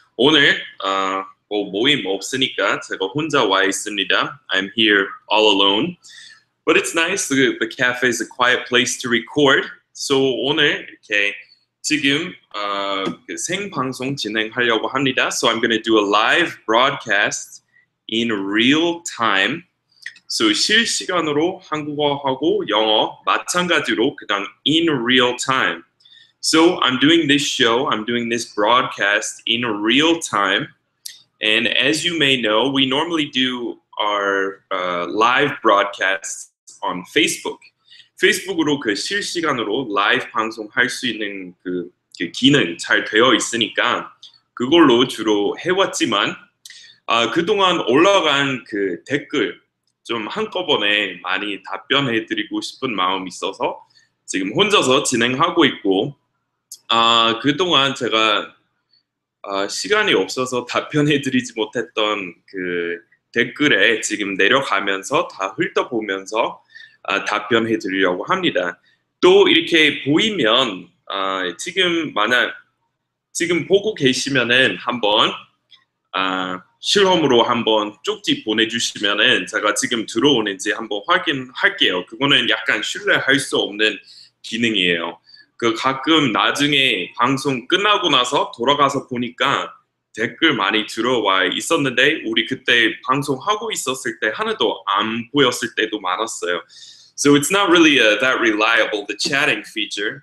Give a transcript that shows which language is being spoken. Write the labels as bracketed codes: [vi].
[ko] 오늘 뭐 모임 없으니까 제가 혼자 와 있습니다. [en] I'm here all alone. But it's nice, the cafe is a quiet place to record. [ko] So 오늘 이렇게 지금 생방송 진행하려고 합니다. [en] So I'm going to do a live broadcast. In real time. So [ko] 실시간으로 한국어하고 영어 마찬가지로 그냥 [en] in real time. So I'm doing this show, I'm doing this broadcast in real time. And as you may know, we normally do our live broadcasts on Facebook. [ko] Facebook으로 그 실시간으로 라이브 방송 할수 있는 그 기능 잘 되어 있으니까 그걸로 주로 해왔지만 그동안 올라간 그 댓글 좀 한꺼번에 많이 답변해드리고 싶은 마음이 있어서 지금 혼자서 진행하고 있고, 그동안 제가 시간이 없어서 답변해드리지 못했던 그 댓글에 지금 내려가면서 다 훑어보면서 답변해드리려고 합니다. 또 이렇게 보이면, 지금 만약 지금 보고 계시면은 한번 실험으로 한번 쪽지 보내주시면은 제가 지금 들어오는지 한번 확인할게요. 그거는 약간 신뢰할 수 없는 기능이에요. 그 가끔 나중에 방송 끝나고 나서 돌아가서 보니까 댓글 많이 들어와 있었는데 우리 그때 방송하고 있었을 때 하나도 안 보였을 때도 많았어요. [en] So it's not really that reliable, the chatting feature.